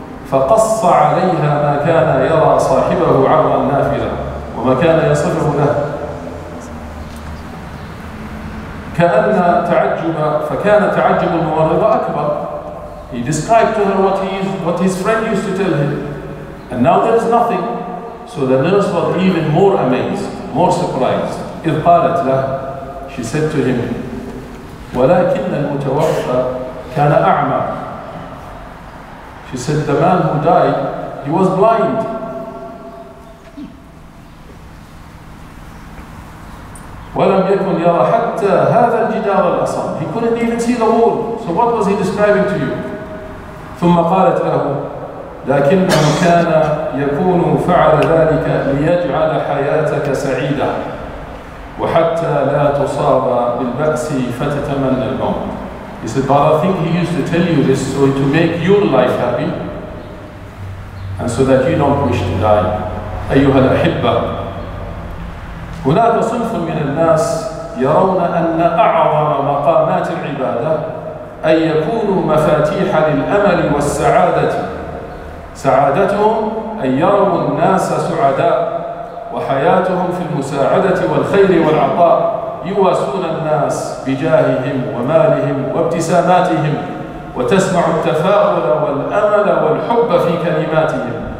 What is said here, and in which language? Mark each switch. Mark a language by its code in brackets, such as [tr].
[ar] فقص عليها ما كان يرى صاحبه عبر النافذة وما كان يصفه له. كأن تعجب فكان تعجب الممرضة أكبر. [en] He described to her what his friend used to tell him. And now there is nothing. So the nurse was even more amazed, more surprised. [ar] إذ قالت له, [en] she said to him, [ar] ولكن المتوفى كان أعمى. [en] She said, the man who died, he was blind. [ar] ولم يكن يرى حتى هذا الجدار الأصم. [en] He couldn't even see the wall. So what was he describing to you? [ar] ثم قالت له, لكنه كان يكون فعل ذلك ليجعل حياتك سعيدة وحتى لا تصاب بالبأس فتتمنى الموت. [en] He said, but I think he used to tell you this so to make your life happy and so that you don't wish to die. [ar] أيها الأحبة, هناك صنف من الناس يرون أن أعظم مقامات العبادة أن يكونوا مفاتيح للأمل والسعادة. سعادتهم أن يروا الناس سعداء وحياتهم في المساعدة والخير والعطاء يواسون الناس بجاههم ومالهم وابتساماتهم وتسمع التفاؤل والأمل والحب في كلماتهم.